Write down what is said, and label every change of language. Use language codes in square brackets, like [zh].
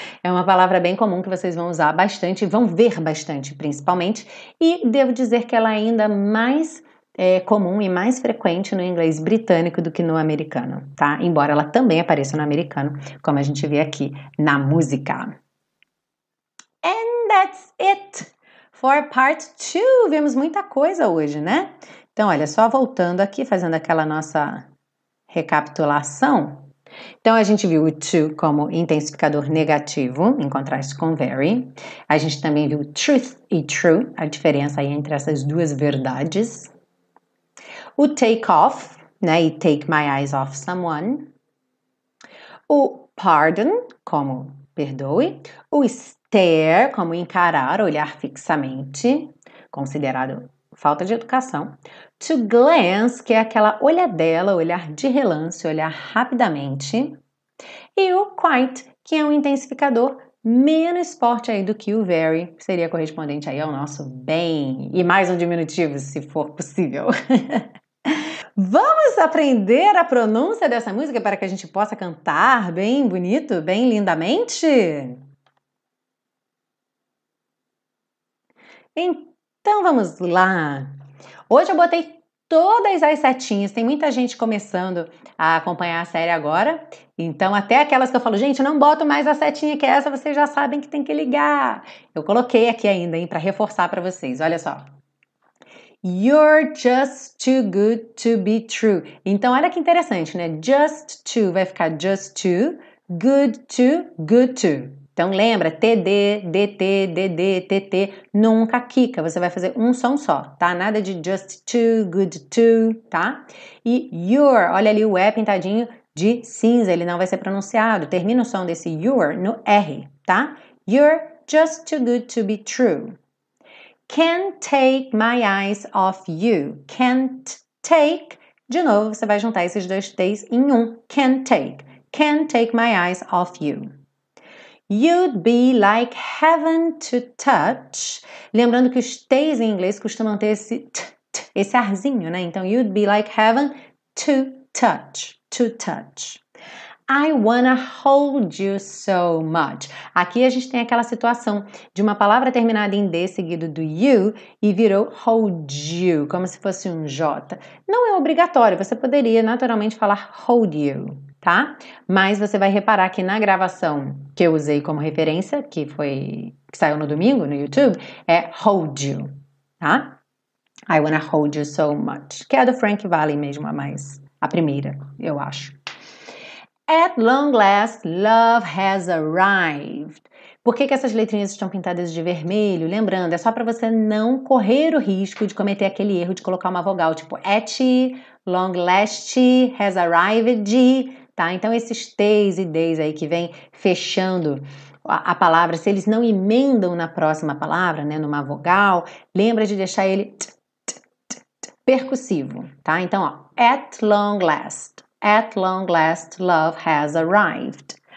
[pt] É uma palavra bem comum que vocês vão usar bastante, vão ver bastante, principalmente, e devo dizer que ela é ainda mais comum e mais frequente no inglês britânico do que no americano, tá? Embora ela também apareça no americano, como a gente vê aqui na música. [en] And that's it for part two. [pt] Vimos muita coisa hoje, né? Então, olha, só voltando aqui, fazendo aquela nossa recapitulação. Então, a gente viu o to como intensificador negativo, em contraste com very. A gente também viu truth e true, a diferença aí entre essas duas verdades. O take off, né, e take my eyes off someone. O pardon, como perdoe. O stare, como encarar, olhar fixamente, considerado falta de educação. To glance, que é aquela olhadela, olhar de relance, olhar rapidamente. E o quite, que é um intensificador menos forte aí do que o very, que seria correspondente aí ao nosso bem. E mais um diminutivo, se for possível. Vamos aprender a pronúncia dessa música para que a gente possa cantar bem bonito, bem lindamente? Então vamos lá. Hoje eu botei todas as setinhas, tem muita gente começando a acompanhar a série agora, então até aquelas que eu falo, gente, não boto mais a setinha que é essa, vocês já sabem que tem que ligar. Eu coloquei aqui ainda, hein, para reforçar para vocês, olha só. [en] You're just too good to be true. [pt] Então olha que interessante, né? Just too vai ficar just too, good to, good to. Então lembra, TD, DT, DD, TT, nunca quica, você vai fazer um som só, tá? Nada de just too, good to, tá? E your, olha ali o E pintadinho de cinza, ele não vai ser pronunciado. Termina o som desse your no R, tá? You're [en] just too good to be true. Can't take my eyes off you. Can't take. [pt] De novo, você vai juntar esses dois T's em um. [en] Can't take. Can't take my eyes off you. You'd be like heaven to touch. [pt] Lembrando que os T's em inglês costumam ter esse t, t, esse arzinho, né? [en] Então, you'd be like heaven to touch. To touch. I wanna hold you so much. [pt] Aqui a gente tem aquela situação de uma palavra terminada em D seguido do you e virou hold you, como se fosse um J. Não é obrigatório, você poderia naturalmente falar hold you, tá? Mas você vai reparar que na gravação que eu usei como referência, que saiu no domingo no YouTube, é hold you, tá? [en] I wanna hold you so much. [pt] Que é do Frank Valli mesmo, a primeira, eu acho. [en] At long last, love has arrived. [pt] Por que que essas letrinhas estão pintadas de vermelho? Lembrando, é só para você não correr o risco de cometer aquele erro de colocar uma vogal, tipo at, long last, has arrived, tá? Então, esses T's e D's aí que vem fechando a palavra, se eles não emendam na próxima palavra, né, numa vogal, lembra de deixar ele t, t, t, t, percussivo, tá? [en] Então, ó, at long last. At long last, love has arrived.